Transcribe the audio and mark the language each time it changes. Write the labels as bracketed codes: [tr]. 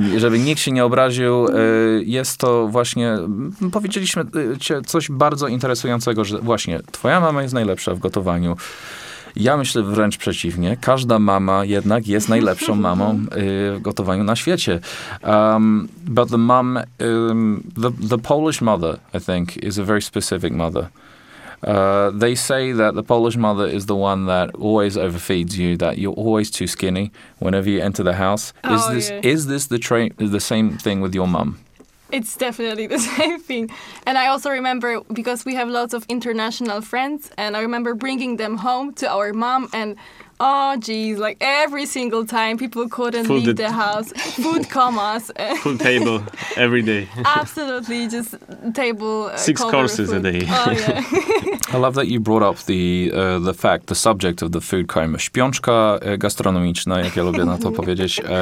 [pl] Żeby nikt się nie obraził. Jest to właśnie... Powiedzieliśmy coś bardzo interesującego, że właśnie twoja mama jest najlepsza w gotowaniu. Ja myślę wręcz przeciwnie. Każda mama jednak jest najlepszą mamą w gotowaniu na świecie. [en] But the mom, the Polish mother, I think, is a very specific mother. They say that the Polish mother is the one that always overfeeds you, that you're always too skinny whenever you enter the house. Is this the same thing with your mom? It's definitely the same thing. And I also remember, because we have lots of international friends, and I remember bringing them home to our mom, and oh, geez, like every single time people couldn't leave the house. Food comas. Full table every day. Absolutely, just table. Six courses food. A day. Oh, yeah. I love that you brought up the fact, the subject of the food coma. [pl] Śpiączka gastronomiczna, jak ja lubię na to powiedzieć.